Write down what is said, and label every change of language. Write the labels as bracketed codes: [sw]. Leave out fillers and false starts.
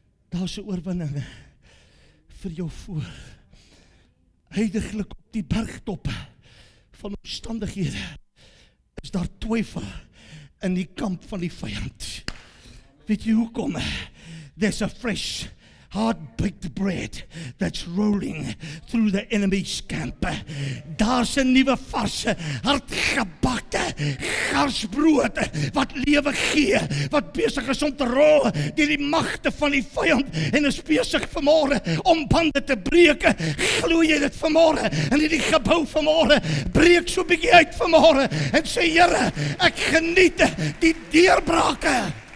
[af] Daar's 'n oorwinning vir jou voor. Heidiglik op die bergtop van omstandighede is daar twyfel in die kamp van die vyand. Weet jy hoekom? [en] There's a fresh hard-baked bread that's rolling through the enemy's camp. [af] Daar's 'n nuwe varse hardgebakte garsbrood wat lewe gee, wat besig is om te rol deur die magte van die vyand en is besig vanmôre om bande te breek. Glo jy dit vanmôre in hierdie gebou vanmôre? Breek so 'n bietjie uit vanmôre en sê, Here, ek geniet die deurbrake.